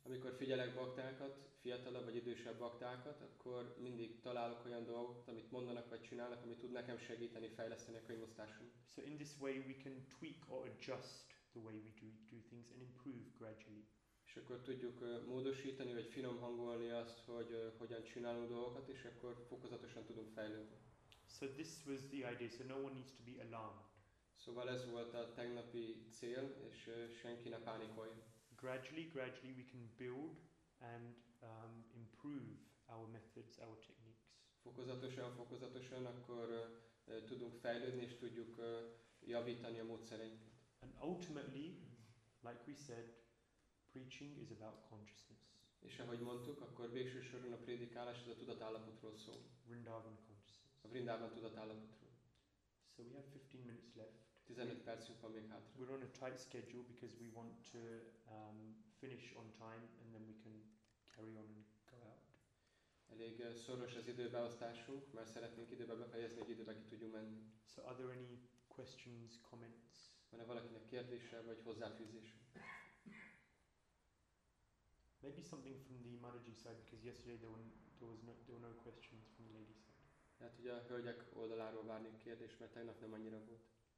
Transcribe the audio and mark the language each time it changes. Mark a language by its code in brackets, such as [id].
[hu] Amikor figyelek baktákat, fiatalabb vagy idősebb baktákat, akkor mindig találok olyan dolgokat, amit mondanak vagy csinálnak, ami tud nekem segíteni fejleszteni a könyvosztásom. [en] So in this way we can tweak or adjust the way we do things and improve gradually. [hu] És akkor tudjuk módosítani vagy finom hangolni azt, hogy hogyan csinálunk dolgokat, és akkor fokozatosan tudunk fejlődni. [en] So this was the idea, so no one needs to be alarmed. [hu] Szóval ez volt a tegnapi cél, és senki ne pánikolj. [en] Gradually we can build and improve our methods, our techniques. [hu] Fokozatosan akkor tudunk fejlődni, és tudjuk javítani a módszereinket. [en] And ultimately, like we said, preaching is about consciousness. [hu] És ahogy mondtuk, akkor végső soron a prédikálás az a tudatállapotról szól. [en] Vrindavan consciousness. [hu] A Vrindavan tudatállapotról. [en] So we have 15 minutes left. [hu] 15 percünk van még hátra. [en] We're on a tight schedule because we want to finish on time and then we can carry on and go out. [hu] Elég szoros az időbeosztásunk, mert szeretnénk időbe befejezni, hogy időbe ki tudjunk menni. [en] So are there any questions, comments? [hu] Van-e valakinek kérdése vagy hozzáfűzése? [en] Maybe something from the Maharaji side, because yesterday there were no questions from the lady side. [hu] Lehet, hogy a hölgyek oldaláról várnék kérdést, mert tegnap nem annyira volt.